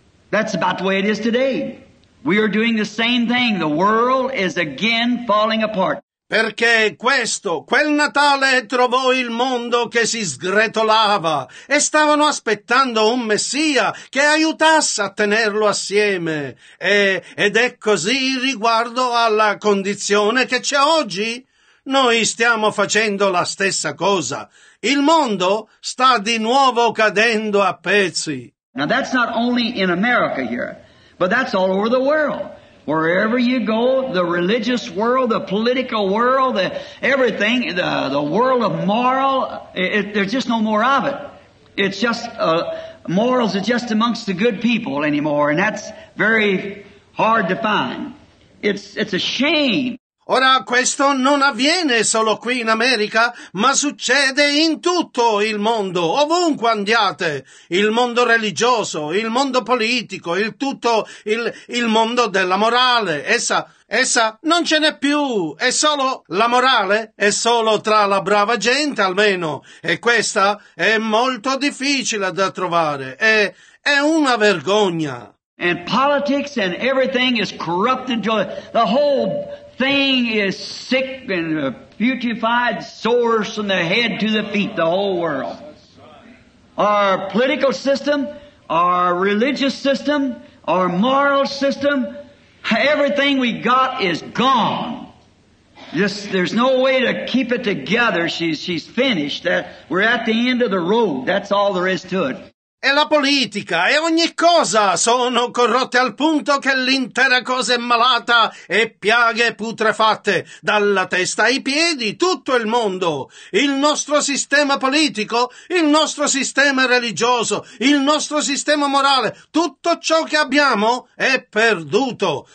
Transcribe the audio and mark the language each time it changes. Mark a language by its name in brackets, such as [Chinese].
[English] That's about the way it is today. We are doing the same thing. The world is again falling apart. [Italian] Perché questo, quel Natale trovò il mondo che si sgretolava e stavano aspettando un Messia che aiutasse a tenerlo assieme. Ed è così riguardo alla condizione che c'è oggi. Noi stiamo facendo la stessa cosa. Il mondo sta di nuovo cadendo a pezzi. [English] Now that's not only in America here, but that's all over the world. Wherever you go, the religious world, the political world, the world of moral, there's just no more of it. It's just, morals are just amongst the good people anymore, and that's very hard to find. It's a shame. [Italian] Ora questo non avviene solo qui in America, ma succede in tutto il mondo, ovunque andiate, il mondo religioso, il mondo politico, il mondo della morale, essa non ce n'è più, è solo la morale, è solo tra la brava gente almeno, e questa è molto difficile da trovare, è una vergogna. [English] And politics and everything is corrupted, the whole thing is sick and putrefied sores from the head to the feet, the whole world. Our political system, our religious system, our moral system, everything we got is gone. Just, there's no way to keep it together. She's finished. We're at the end of the road. That's all there is to it. [Italian] E la politica e ogni cosa sono corrotte al punto che l'intera cosa è malata e piaghe putrefatte dalla testa ai piedi, tutto il mondo, il nostro sistema politico, il nostro sistema religioso, il nostro sistema morale, tutto ciò che abbiamo è perduto.